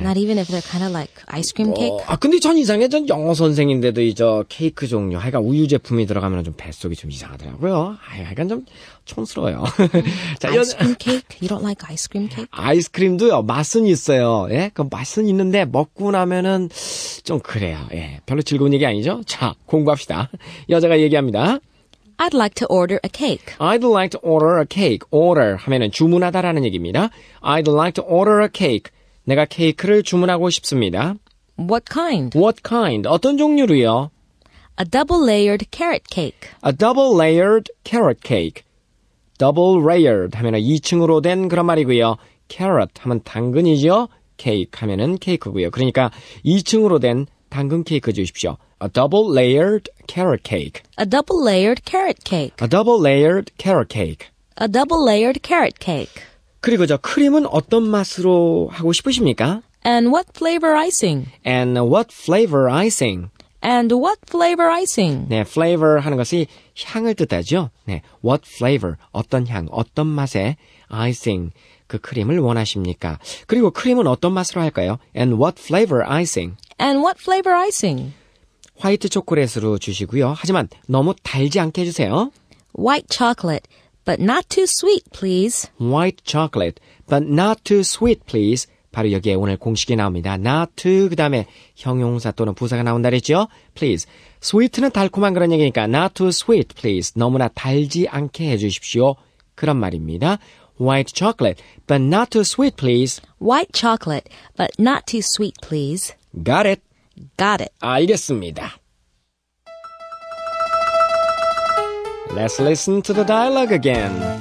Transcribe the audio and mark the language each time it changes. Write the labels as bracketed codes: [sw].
[en] Not even if they're kind of like ice cream cake. [ko] 아 근데 전 이상해. 전 영어 선생인데도 이 저 케이크 종류, 하여간 우유 제품이 들어가면 좀 뱃속이 좀 이상하더라고요. 하여간 좀 촌스러워요. [en] 자, ice cream cake? You don't like ice cream cake? [ko] 아이스크림도요. 맛은 있어요. 예, 그 맛은 있는데 먹고 나면은 좀 그래요. 예, 별로 즐거운 얘기 아니죠? 자, 공부합시다. 여자가 얘기합니다. [en] I'd like to order a cake. I'd like to order a cake. [ko] Order 하면은 주문하다라는 얘기입니다. [en] I'd like to order a cake. [ko] 내가 케이크를 주문하고 싶습니다. [en] What kind? What kind? [ko] 어떤 종류로요? [en] A double-layered carrot cake. A double-layered carrot cake. [ko] Double-layered 하면은 2층으로 된 그런 말이고요. Carrot 하면 당근이죠. Cake 하면은 케이크고요. 그러니까 2층으로 된 당근 케이크 주십시오. [en] A double-layered carrot cake. A double-layered carrot cake. A double-layered carrot cake. A double-layered carrot cake. [ko] 그리고 저 크림은 어떤 맛으로 하고 싶으십니까? [en] And what flavor icing? And what flavor icing? And what flavor icing? [ko] 네, flavor 하는 것이 향을 뜻하죠. 네, what flavor, 어떤 향, 어떤 맛의 icing, 그 크림을 원하십니까? 그리고 크림은 어떤 맛으로 할까요? [en] And what flavor icing? And what flavor icing? [ko] 화이트 초콜릿으로 주시고요. 하지만 너무 달지 않게 해주세요. [en] White chocolate, but not too sweet, please. White chocolate, but not too sweet, please. [ko] 바로 여기에 오늘 공식이 나옵니다. Not too, 그 다음에 형용사 또는 부사가 나온다 그랬죠? [en] Please. [ko] Sweet는 달콤한 그런 얘기니까 [en] not too sweet, please. [ko] 너무나 달지 않게 해주십시오. 그런 말입니다. [en] White chocolate, but not too sweet, please. White chocolate, but not too sweet, please. Got it. Got it. [ko] 알겠습니다. [en] Let's listen to the dialogue again.